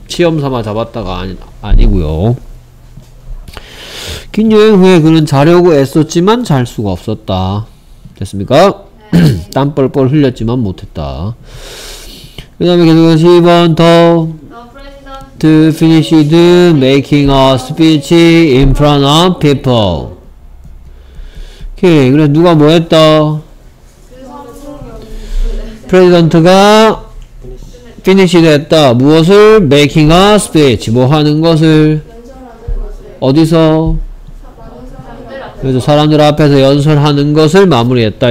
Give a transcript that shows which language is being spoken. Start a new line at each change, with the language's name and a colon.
Korean: 시험삼아 잡았다가 아니고요. 긴 여행 후에 그는 자려고 애썼지만 잘 수가 없었다. 됐습니까? 네. 땀 뻘뻘 흘렸지만 못했다. 그 다음에 계속해서 10번 더
English: The president finished making a speech in front of people.
Korean: 오케이, 그래 누가 뭐 했다? 프레지던트가 finished 했다. 무엇을?
English: making a speech.
Korean: 뭐 하는 것을? 어디서? 그래서 사람들 앞에서 연설하는 것을 마무리했다.